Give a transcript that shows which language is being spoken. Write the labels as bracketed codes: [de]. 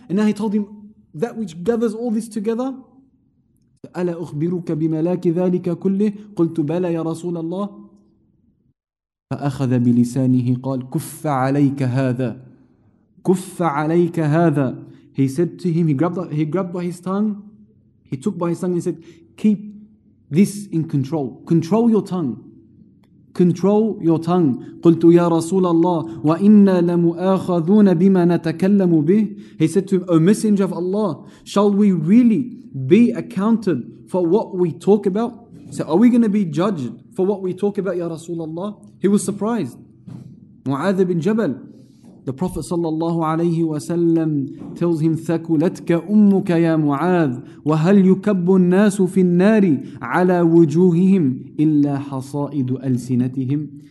[en] And now he told him, that which gathers all this together, [ar] أَلَا أُخْبِرُكَ بِمَلَاكِ ذَلِكَ كُلِّهِ قُلْتُ بَلَا يَا رَسُولَ اللَّهِ فَأَخَذَ بِلِسَانِهِ قَالْ كُفَّ عَلَيْكَ هَذَا كُفَّ عَلَيْكَ هَذَا. [en] He said to him, he grabbed by his tongue, he took by his tongue and said, keep this in control. Control your tongue. Control your tongue. [ar] قلت يا رسول الله وإنا لمؤاخذون بما نتكلم به. [en] He said to him, O Messenger of Allah, shall we really be accounted for what we talk about? So are we going to be judged for what we talk about, ya رسول الله? He was surprised. [ar] معاذ بن جبل. [en] The Prophet sallallahu alayhi wa sallam tells him, [ar] ثَكُلَتْكَ أُمُّكَ يَا مُعَاذْ وَهَلْ يُكَبُّ النَّاسُ فِي النَّارِ عَلَى وُجُوهِهِمْ إِلَّا حَصَائِدُ أَلْسِنَتِهِمْ.